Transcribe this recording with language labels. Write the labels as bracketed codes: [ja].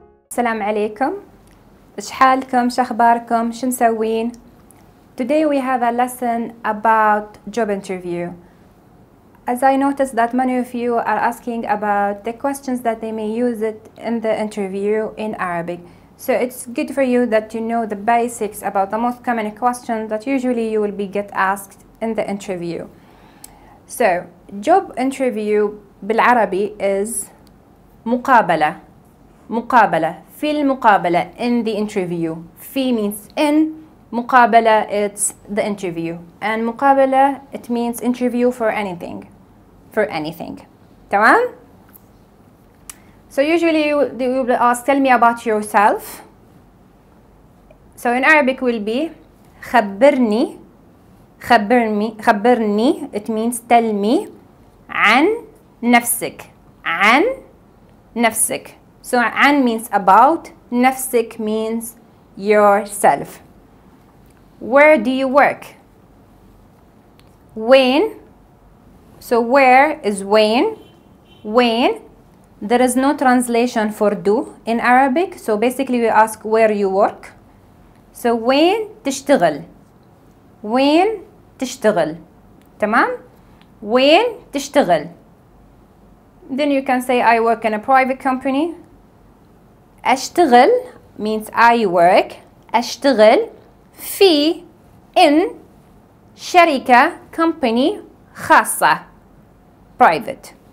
[ar] السلام عليكم، إيش حالكم؟ إيش أخباركم؟ شو مسوين؟ [en] Today we have a lesson about job interview. As I noticed that many of you are asking about the questions that they may use it in the interview in Arabic. So it's good for you that you know the basics about the most common questions that usually you will be get asked in the interview. So job interview بالعربي is مقابلة. [ar] مقابلة في المقابلة [en] in the interview. في means in, مقابلة it's the interview, and مقابلة it means interview for anything, for anything. تمام؟ So usually you will ask, tell me about yourself. So in Arabic will be خبرني. خبرني it means tell me [ar] عن نفسك. عن نفسك. [en] So عن means about, نفسك means yourself. Where do you work? When? So where is when? When? There is no translation for do in Arabic. So basically we ask where you work. So when تشتغل. When [ar] تشتغل. تمام؟ [en] When تشتغل. Then you can say I work in a private company. أشتغل means I work. [ar] أشتغل في in شركة company خاصة private.